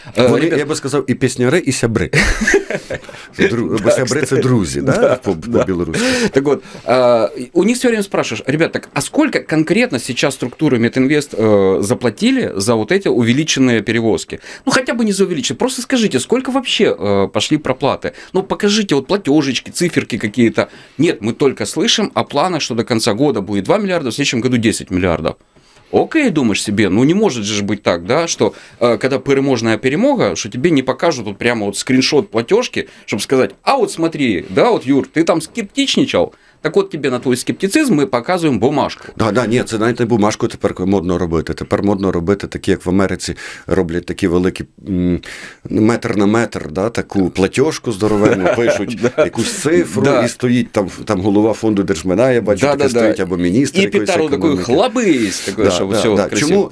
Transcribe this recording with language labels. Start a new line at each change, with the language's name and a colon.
Russian: Вони, ребят... Я бы сказал, и песняры, и сябры.
Ukrainian: Бо сябры – це друзі, да, по-білорусски.
Russian: Так вот, у них все время спрашиваешь, ребят, так, а сколько конкретно сейчас структуры Мединвест заплатили за вот эти увеличенные перевозки? Ну, хотя бы не за увеличенные, просто скажите, сколько вообще пошли проплаты? Ну, покажите вот платежечки, циферки какие-то. Нет, мы только слышим о планах, что до конца года будет 2 миллиарда, в следующем году 10 миллиардов. Окей, думаешь себе, ну не может же быть так, да, что когда переможная перемога, что тебе не покажут вот прямо вот скриншот платежки, чтобы сказать, а вот смотри, да, вот Юр, ты там скептичничал,
Ukrainian: так от тобі на твій скептицизм ми показуємо бумажку. Ні, це навіть не бумажку тепер модно робити. Тепер модно робити такі, як в Америці роблять такі великі метр на метр, да, таку платіжку здоровенну, пишуть якусь цифру, і стоїть там голова фонду держмина, я бачу, таке стоїть, або міністр якоїсь економіки. І пітару такою хлабись, такою, щоб усього красиво.